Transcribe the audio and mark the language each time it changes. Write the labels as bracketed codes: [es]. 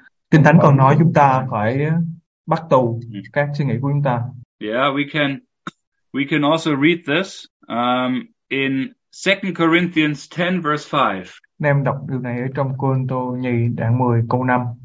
[vi] Kinh Thánh còn nói chúng ta phải bắt tù các suy nghĩ của chúng ta. [en] Yeah, we can also read this in 2 Corinthians 10 verse 5. [vi] Em đọc điều này ở trong Cô-rinh-tô nhì đoạn 10 câu 5.